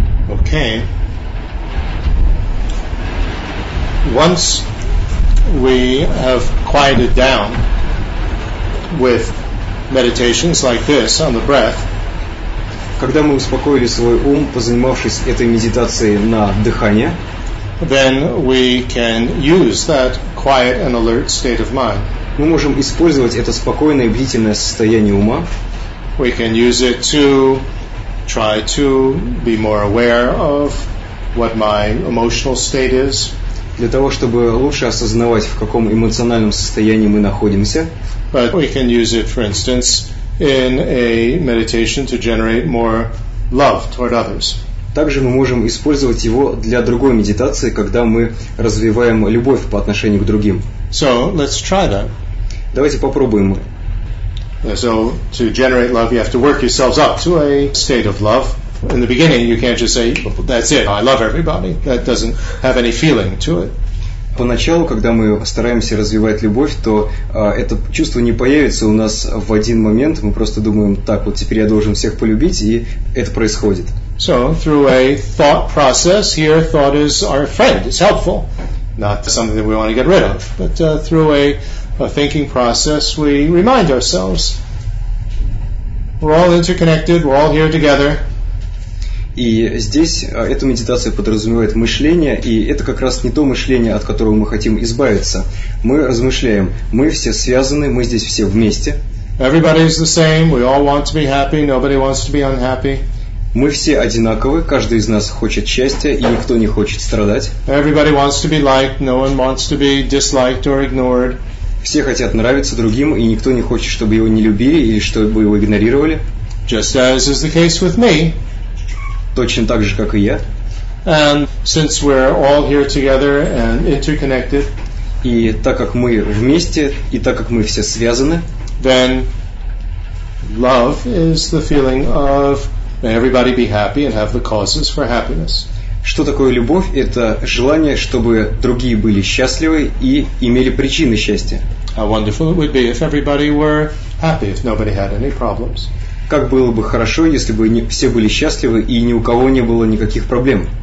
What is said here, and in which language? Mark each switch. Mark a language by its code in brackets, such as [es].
[en] okay, once we have quieted down with meditations like this on the breath, [ru] когда мы успокоили свой ум, позанимавшись этой медитацией на дыхание, [en] then we can use that quiet and alert state of mind. [ru] Мы можем использовать это спокойное и бдительное состояние ума. [en] We can use it to try to be more aware of what my emotional state is. [ru] Для того, чтобы лучше осознавать, в каком эмоциональном состоянии мы находимся. [en] But we can use it, for instance, in a meditation to generate more love toward others. [ru] Также мы можем использовать его для другой медитации, когда мы развиваем любовь по отношению к другим. [en] So, let's try that. [ru] Давайте попробуем. [en] So, to generate love, you have to work yourselves up to a state of love. In the beginning, you can't just say, that's it, I love everybody. That doesn't have any feeling to it. [ru] Поначалу, когда мы стараемся развивать любовь, то это чувство не появится у нас в один момент. Мы просто думаем, так вот, теперь я должен всех полюбить, и это происходит. [en] So, through a thought process, here thought is our friend, it's helpful. Not something that we want to get rid of. But through a thinking process, we remind ourselves, we're all interconnected, we're all here together. [ru] И здесь эта медитация подразумевает мышление, и это как раз не то мышление, от которого мы хотим избавиться. Мы размышляем, мы все связаны, мы здесь все вместе. [en] Everybody is the same, we all want to be happy, nobody wants to be unhappy. [ru] Мы все одинаковы, каждый из нас хочет счастья, и никто не хочет страдать. [en] Everybody wants to be liked, no one wants to be disliked or ignored. [ru] Все хотят нравиться другим, и никто не хочет, чтобы его не любили или чтобы его игнорировали. [en] Just as is the case with me. [ru] Точно так же, как и я. [en] And since we're all here together and interconnected, [ru] и так как мы вместе, и так как мы все связаны, [en] then love is the feeling of may everybody be happy and have the causes for happiness. [ru] Что такое любовь? Это желание, чтобы другие были счастливы и имели причины счастья. [en] How wonderful it would be if everybody were happy, if nobody had any problems. [ru] Как было бы хорошо, если бы все были счастливы и ни у кого не было никаких проблем.